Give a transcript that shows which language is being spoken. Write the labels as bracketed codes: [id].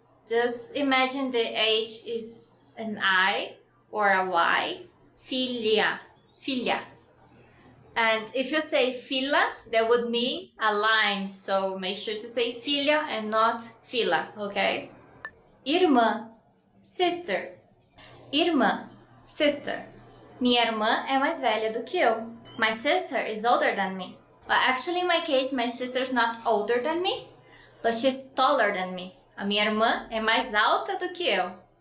[en] Just imagine the H is an I or a Y. Filha, filha. And if you say fila, that would mean a line. So make sure to say filha and not fila, okay? Irmã. Sister. Irmã. Sister. [pt] Minha irmã é mais velha do que eu. [en] My sister is older than me. But actually, in my case, my sister's not older than me, but she's taller than me. [pt] A minha irmã é mais alta do que eu.